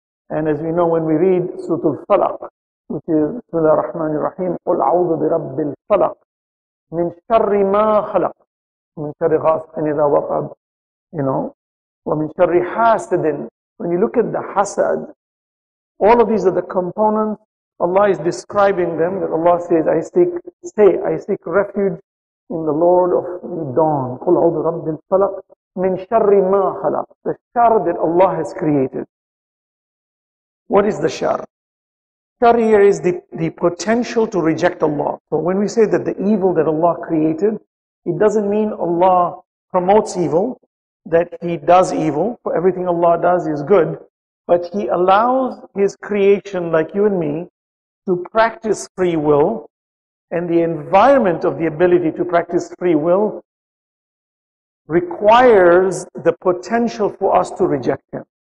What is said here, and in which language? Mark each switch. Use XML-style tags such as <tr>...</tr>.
<en>And as we know, when we read Surah Al-Falaq, which is Surah Ar-Rahman Ar-Rahim,</en> <ar>قُلْ أَعُوذُ بِرَبِّ الْفَلَقِ مِن شَرِّ مَا خَلَقْ مِن شَرِّ غَاسِقٍ إِذَا وَقَبْ,</ar> <en>you know,</en> <ar>وَمِن شَرِّ حَاسِدٍ.</ar> <en>When you look at the hasad, all of these are the components. Allah is describing them, that Allah says, I seek refuge in the Lord of the dawn.</en> <ar>قُلْ أَعُوذُ رَبِّ الْفَلَقْ مِن شَرِّ مَا خَلَقْ,</ar> <en>the shar that Allah has created. What is the shar? Shar here is the potential to reject Allah. So when we say that the evil that Allah created, it doesn't mean Allah promotes evil, that he does evil, for everything Allah does is good, but he allows his creation, like you and me, to practice free will, and the environment of the ability to practice free will requires the potential for us to reject him.</en>